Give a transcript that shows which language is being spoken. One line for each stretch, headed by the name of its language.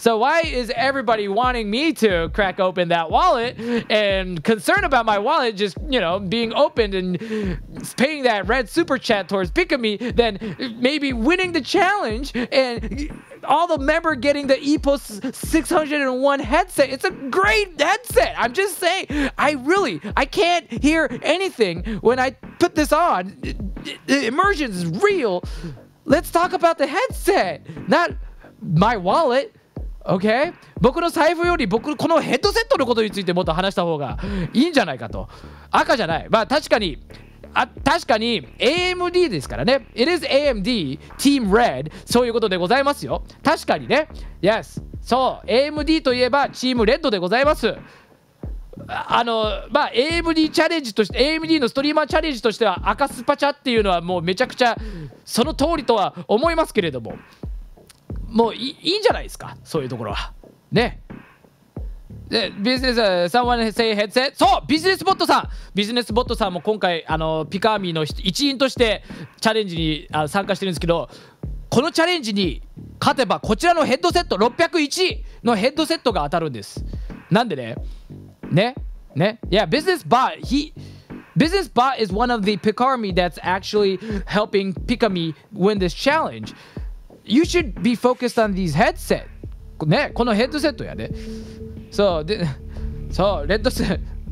English: So why is everybody wanting me to crack open that wallet and concern about my wallet just, you know, being opened and paying that red super chat towards Pikamee than maybe winning the challenge and all the member getting the EPOS 601 headset? It's a great headset. I'm just saying, I can't hear anything when I put this on. The immersion is real. Let's talk about the headset, not my wallet. Okay?
Japanese: 僕の財布より僕のこのヘッドセットのことについてもっと話した方がいいんじゃないかと。赤じゃない。まあ確かに。確かに AMD ですからね。
English: It is AMD Team Red。
Japanese: そういうことでございますよ。確かにね。
English: Yes。
Japanese: そう、 AMD といえばチームレッドでございます。まあ、AMD チャレンジとして AMD のストリーマーチャレンジとしては赤スパチャっていうのはもうめちゃくちゃその通りとは思いますけれども、もういいんじゃないですか、そういうところはね。
English: ビジネス、someone say headset。
Japanese: そう、ビジネスボットさん、ビジネスボットさんも今回ピカーミーの一員としてチャレンジに参加してるんですけど、このチャレンジに勝てばこちらのヘッドセット601のヘッドセットが当たるんです。なんでね、ね、ね、
English: Yeah, Business Bot is one of the Pikamee that's actually helping Pikamee win this challenge. You should be focused on these headset.
Japanese: ね、このヘッドセットやで。そう、で、そう、レッドセット。